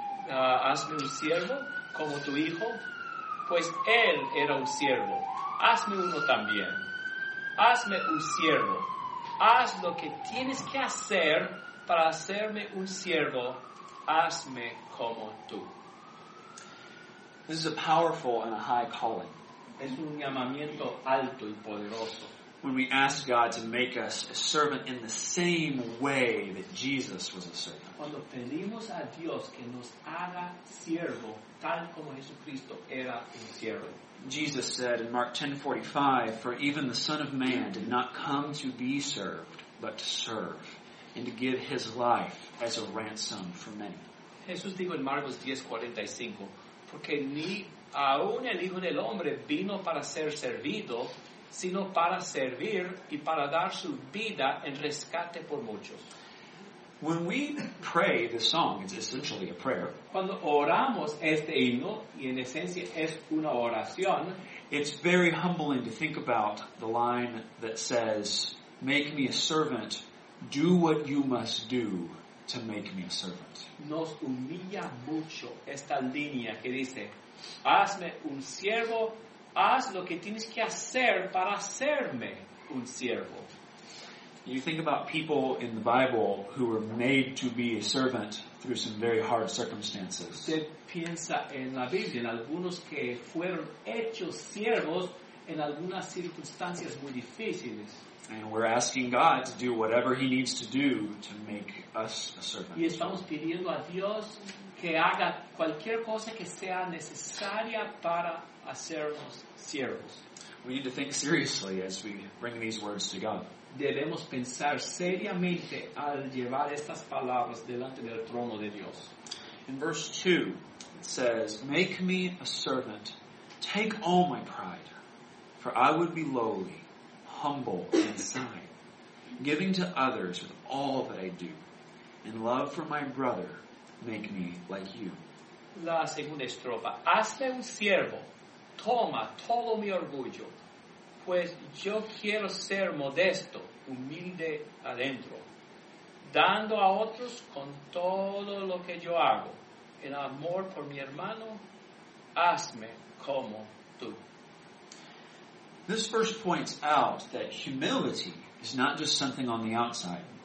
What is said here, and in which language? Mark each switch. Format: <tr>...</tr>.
<es>Hazme un siervo como tu hijo, pues él era un siervo. Hazme uno también. Hazme un siervo. Haz lo que tienes que hacer para hacerme un siervo. Hazme como tú.</es> <en>This is a powerful and a high calling.</en> <es>Es un llamamiento alto y poderoso.</es> <en>When we ask God to make us a servant in the same way that Jesus was a servant.</en> <es>Cuando pedimos a Dios que nos haga siervo tal como Jesucristo era un siervo.</es> <en>Jesus said in Mark 10:45, for even the Son of Man did not come to be served, but to serve, and to give his life as a ransom for many.</en> <es>Jesús dijo en Marcos 10:45, porque ni aun el Hijo del Hombre vino para ser servido, sino para servir y para dar su vida en rescate por muchos.</es> <en>When we pray the song, it's essentially a prayer.</en> <es>Cuando oramos este himno, y en esencia es una oración,</es> <en>it's very humbling to think about the line that says, make me a servant, do what you must do to make me a servant.</en> <es>Nos humilla mucho esta línea que dice, hazme un siervo, haz lo que tienes que hacer para hacerme un siervo.</es> <en>You think about people in the Bible who were made to be a servant through some very hard circumstances.</en> <es>Usted piensa en la Biblia, en algunos que fueron hechos siervos en algunas circunstancias muy difíciles.</es> <en>And we're asking God to do whatever he needs to do to make us a servant.</en> <es>Y estamos pidiendo a Dios que haga cualquier cosa que sea necesaria para hacernos siervos.</es> <en>We need to think seriously as we bring these words to God.</en> <es>Debemos pensar seriamente al llevar estas palabras delante del trono de Dios.</es> <en>In verse 2, it says, make me a servant. Take all my pride, for I would be lowly, humble, and inside, giving to others with all that I do. In love for my brother, make me like you.</en> <es>La segunda estrofa. Hazme un siervo. Toma todo mi orgullo. Pues yo quiero ser modesto, humilde adentro, dando a otros con todo lo que yo hago. En amor por mi hermano, hazme como tú.</es> <en>This verse points out that humility is not just something on the outside.</en>